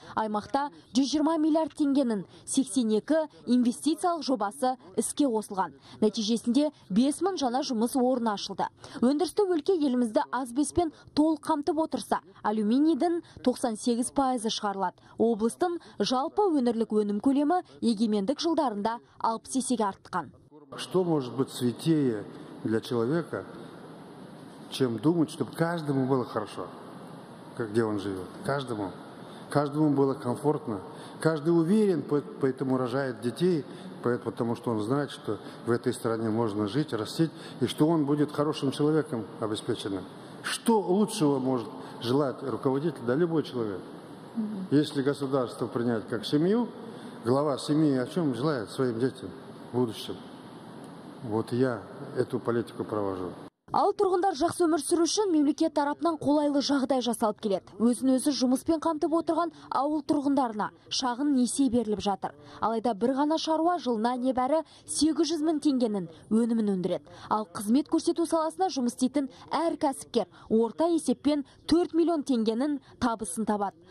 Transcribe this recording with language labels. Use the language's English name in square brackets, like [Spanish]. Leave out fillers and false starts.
[Kazakh] Аймақта 120 миллиард теңгенің 82 инвестициялық жобасы іске қосылған. Нәтижесінде 5000 жаңа жұмыс орны ашылды. Өндірісті өлке елімізді асбестпен толық қамтып отырса, алюминийдің 98% шығарылады. Облыстың жалпы өңірлік өнім көлемі егемендік жылдарында 60% артқан. [Russian] Что может быть святее для человека, чем думать, чтобы каждому было хорошо, где он живет? Каждому. Каждому было комфортно. Каждый уверен, поэтому рожает детей, потому что он знает, что в этой стране можно жить, растить, и что он будет хорошим человеком обеспеченным. Что лучшего может желать руководитель, да любой человек? Если государство принять как семью, глава семьи о чем желает своим детям в будущем? Вот я эту политику провожу. [Kazakh] Ал тұрғындар жақсы өмір сүру үшін мемлекет тарапынан қолайлы жағдай жасалып келеді. Өзін өзі жұмыспен қамтып отырған ауыл тұрғындарына шағын несие беріліп жатыр. Алайда бір ғана шаруа жылына небәрі 800 мың теңгенің өнімін өндіреді. Ал қызмет көрсету саласына жұмыс істейтін әр кәсіпкер орта есеппен 4 миллион теңгенің табысын табады.